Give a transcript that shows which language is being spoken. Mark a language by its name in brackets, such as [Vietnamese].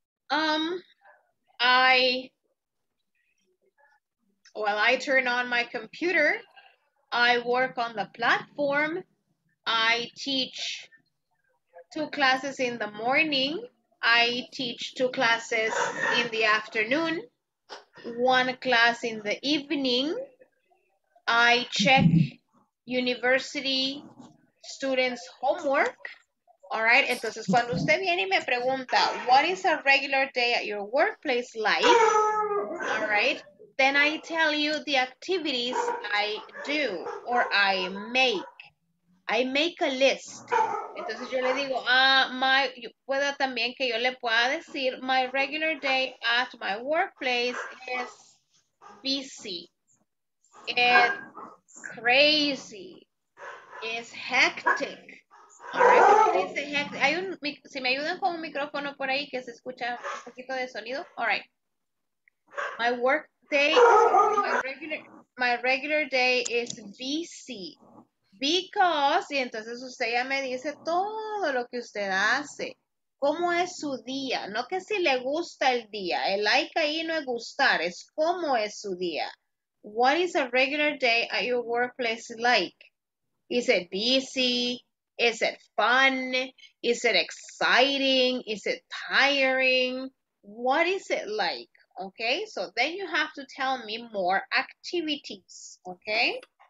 [English] I turn on my computer, I work on the platform, I teach two classes in the morning, I teach two classes in the afternoon, one class in the evening, I check university students' homework, all right? [Spanish] Entonces, cuando usted viene y me pregunta, [English] what is a regular day at your workplace like? All right? Then I tell you the activities I do or I make. I make a list. [Spanish] Entonces yo le digo, pueda también que yo le pueda decir, [English] my regular day at my workplace is busy. It's crazy. It's hectic. All right, [Spanish] ¿qué dice hectic? Hay un, si me ayudan con un micrófono por ahí que se escucha un poquito de sonido. All right. [English] My work day, my regular day is busy because, [Spanish] y entonces usted ya me dice todo lo que usted hace, cómo es su día, no que si le gusta el día, el like ahí no es gustar, es cómo es su día. [English] What is a regular day at your workplace like? Is it busy? Is it fun? Is it exciting? Is it tiring? What is it like? Okay, so then you have to tell me more activities, okay?